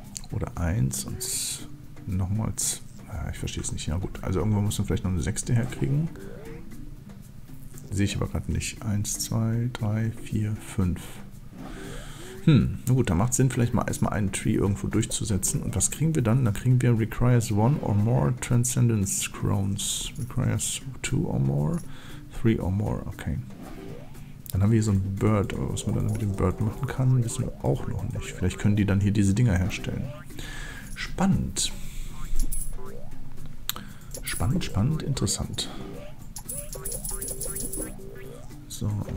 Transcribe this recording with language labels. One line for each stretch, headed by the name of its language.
German: Oder 1 und nochmals. Ich verstehe es nicht. Ja, gut. Also, irgendwann muss man vielleicht noch eine 6. herkriegen. Sehe ich aber gerade nicht. 1, 2, 3, 4, 5. Na gut, da macht Sinn, vielleicht mal erstmal einen Tree irgendwo durchzusetzen. Und was kriegen wir dann? Dann kriegen wir
English: Requires one or more Transcendence Crones. Requires two or more, three or more. Okay.
German: Dann haben wir hier so ein Bird. Aber was man dann mit dem Bird machen kann, wissen wir auch noch nicht. Vielleicht können die dann hier diese Dinger herstellen. Spannend. Spannend, spannend, interessant. So.